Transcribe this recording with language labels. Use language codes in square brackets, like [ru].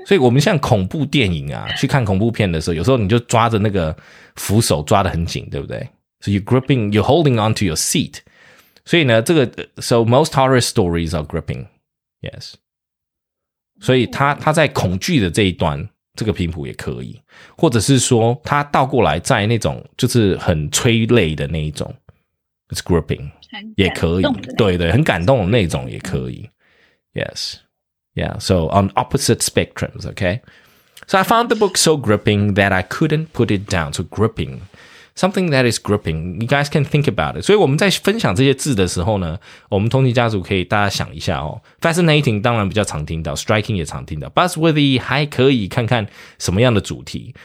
[zh] 所以我们像恐怖电影啊，去看恐怖片的时候，有时候你就抓着那个扶手抓得很紧，对不对？ [en] So you're gripping, you're holding onto your seat. [zh] 所以呢，这个 [en] So most horror stories are gripping. Yes. [zh] 所以他在恐惧的这一端，这个频谱也可以，或者是说他倒过来在那种就是很催泪的那一种 [en] It's gripping. [zh] 也可以，对对，很感动的那种也可以。 [en] Yes. Yeah, so on opposite spectrums, okay? So I found the book so gripping that I couldn't put it down. So gripping, something that is gripping. You guys can think about it. [zh] 所以我们在分享这些字的时候呢，我们通勤家族可以大家想一下哦。 Fascinating 当然比较常听到 ,striking 也常听到 ,buzzworthy 还可以看看什么样的主题。